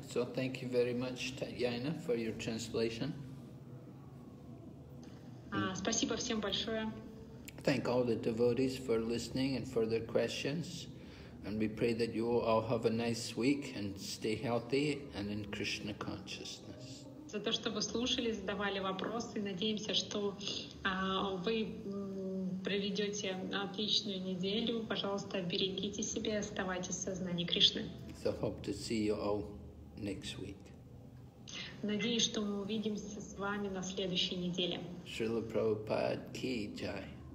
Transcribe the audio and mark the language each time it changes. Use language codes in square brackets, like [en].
[en] So thank you very much, Tatyana, for your translation. [ru] Спасибо всем большое. [en] Thank all the devotees for listening and for their questions. And we pray that you all have a nice week and stay healthy and in Krishna consciousness. [ru] За то, что вы слушали, задавали вопросы. Надеемся, что вы проведете отличную неделю. Пожалуйста, берегите себя, оставайтесь в сознании Кришны. [en] So hope to see you all next week. [ru] Надеюсь, что мы увидимся с вами на следующей неделе. Шрила Прабхупад ки джай.